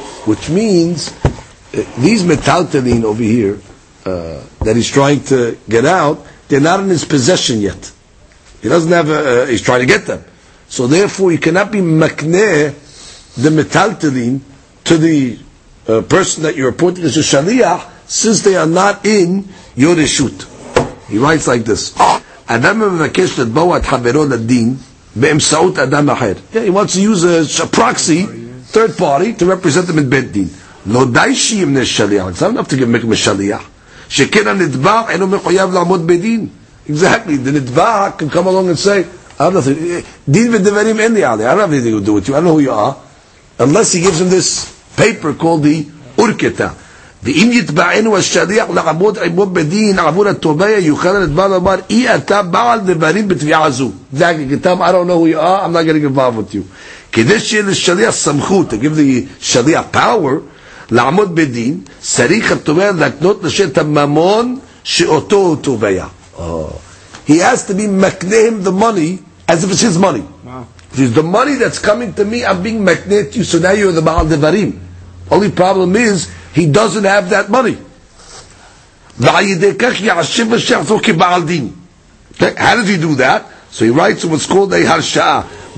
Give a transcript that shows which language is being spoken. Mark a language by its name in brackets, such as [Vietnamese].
[English] Which means, these metaltelin over here, that he's trying to get out, they're not in his possession yet. He doesn't have he's trying to get them. So therefore, you cannot be makneh the metaltelin to the person that you're appointing as a shaliach, since they are not in your reshut. He writes like this. [Hebrew] אדם מבקש לדבוע את חברו לדין באמצעות אדם אחר. [English] He wants to use a proxy, third party, to represent him in בית דין. [Hebrew] לא די שימנה שליח. [English] It's not enough to give him a שליח. [Hebrew] שכן הנדבע אינו מחויב לעמוד בדין. [English] Exactly. The נדבע can come along and say, [Hebrew] דין ודברים אין לי עליה. [English] I don't have anything to do with you. I don't know who you are. Unless he gives him this paper called the אורקטה. [Hebrew] ואם יתבענו השליח לעמוד עמו בדין עבור התובעה, יוכל לדבר לומר, אי אתה בעל דברים בתביעה זו. זה הכתב, [English] I don't know who you are, I'm not going to give up with you. [Hebrew] כדי שיהיה לשליח סמכות, [English] to give the שליח power, [Hebrew] לעמוד בדין, צריך התובעה להקנות לשם את הממון שאותו הוא תובעה. [English] He has to be מקנה him the money, as if it's his money. Wow. It's the money that's coming to me, I'm being מקנה to you, so now you're the בעל דברים. Only problem is, he doesn't have that money. Okay, how does he do that? So he writes what's called a harsha'ah.